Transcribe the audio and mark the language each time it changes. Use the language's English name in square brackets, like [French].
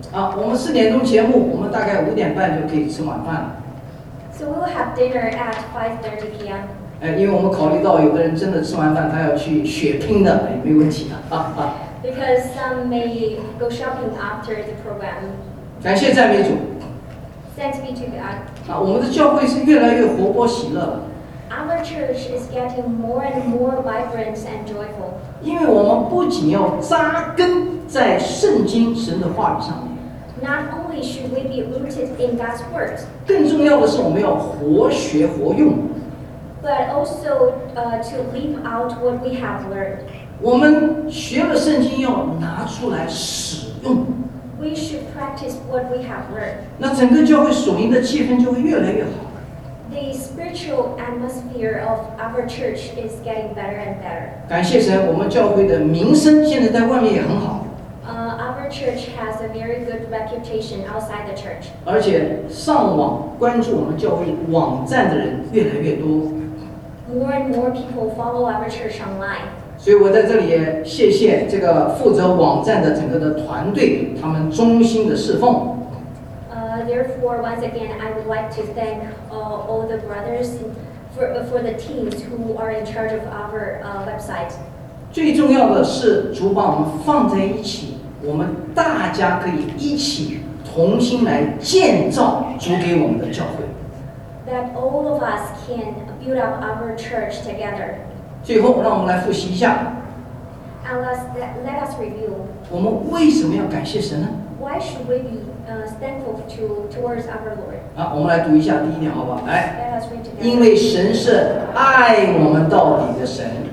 [Chinese] 啊，我们四点钟节目，我们大概五点半就可以吃晚饭了。 [English] So we will have dinner at 5:30 p.m. [Chinese] 因为我们考虑到有的人真的吃完饭他要去血拼的，没问题的。 [English] Because some may go shopping after the program. [Chinese] 感谢赞美主。 [English] Thanks be to God. [Chinese] 啊，我们的教会是越来越活泼喜乐了。 [English] Our church is getting more and more vibrant and joyful. [Chinese] 因为我们不仅要扎根在圣经神的话语上面。 [English] Not only should we be rooted in God's words. [Chinese] 更重要的是我们要活学活用。 [English] But also to live out what we have learned. [Chinese] 我们学了圣经要拿出来使用。 [English] We should practice what we have learned. [Chinese] 那整个教会属灵的气氛就会越来越好。 [English] The spiritual atmosphere of our church is getting better and better. [Chinese] 感谢神，我们教会的名声现在在外面也很好。 [English] Our church has a very good reputation outside the church. [Chinese] 而且上网关注我们教会网站的人越来越多。 [English] More and more people follow our church online. [Chinese] 所以我在这里也谢谢这个负责网站的整个的团队，他们忠心的侍奉。 [English] Therefore, once again, I would like to thank all the brothers for the teams who are in charge of our website. [Chinese] 最重要的是主把我们放在一起，我们大家可以一起同心来建造主给我们的教会。 [English] That all of us can build up our church together. [Chinese] 最后，让我们来复习一下。 [English] And let us review. [Chinese] 我们为什么要感谢神呢 [English] ？Why should we be thankful towards our Lord？ [Chinese] 啊，我们来读一下第一点，好不好？来， [English] let us read together. [Chinese] 因为神是爱我们到底的神。